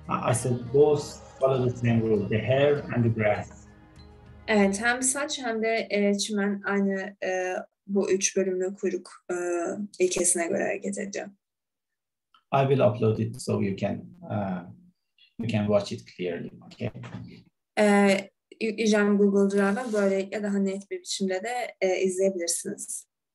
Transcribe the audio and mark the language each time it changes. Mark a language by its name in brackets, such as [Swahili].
[English] I said both follow the same rule, the hair and the grass. [Turkish] Evet, hem saç hem de çimen aynı bu üç bölümlü kuyruk ilkesine göre hareket ediyor. [English] I will upload it so you can watch it clearly. Okay. [Turkish] Yüceğim Google Drive'a böyle ya daha net bir biçimde de izleyebilirsiniz.